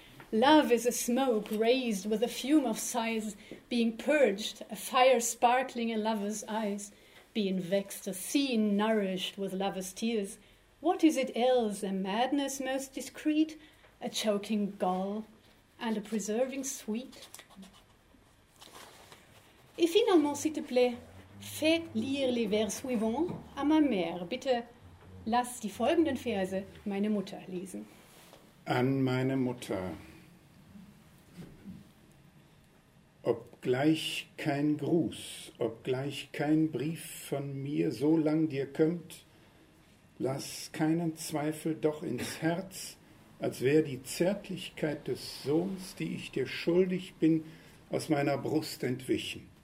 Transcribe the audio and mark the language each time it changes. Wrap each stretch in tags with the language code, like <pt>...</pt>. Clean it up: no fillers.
<en>Love is a smoke raised with a fume of sighs, being purged, a fire sparkling in lovers' eyes, being vexed, a scene nourished with lovers' tears. What is it else, a madness most discreet, a choking gall, and a preserving sweet?</en> <fr>Et finalement, s'il te plaît, fais lire les vers suivants à ma mère.</fr> <de>Bitte lass die folgenden Verse meine Mutter lesen. An meine Mutter. Obgleich kein Gruß, obgleich kein Brief von mir so lang dir kömmt, lass keinen Zweifel doch ins Herz, als wär die Zärtlichkeit des Sohns, die ich dir schuldig bin, aus meiner Brust entwichen.</de>